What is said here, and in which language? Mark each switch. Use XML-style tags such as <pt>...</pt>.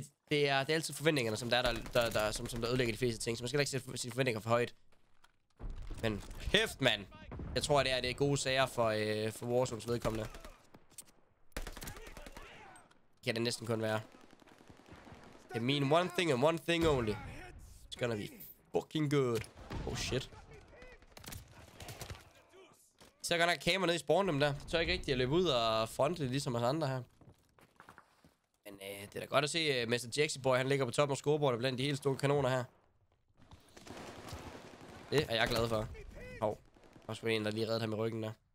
<da>Det er altid forventningerne, som der er, der ødelægger de fleste ting. Så man skal ikke sætte sine forventninger for højt. Men kæft, mand! Jeg tror, det er gode sager for Warzone's vedkommende. Det kan det næsten kun være.</da> <en>I mean one thing and one thing only. It's gonna be fucking good. Oh shit.</en> <da>Så kan der kamera ned i spawn dem der. Det tør jeg ikke rigtig at løbe ud og fronte det ligesom os andre her. Men det er da godt at se, Mr. Jaxie Boy, han ligger på toppen af scoreboardet blandt de helt store kanoner her. Det er jeg glad for. Hov, der var en, der lige reddede ham i ryggen der.</da>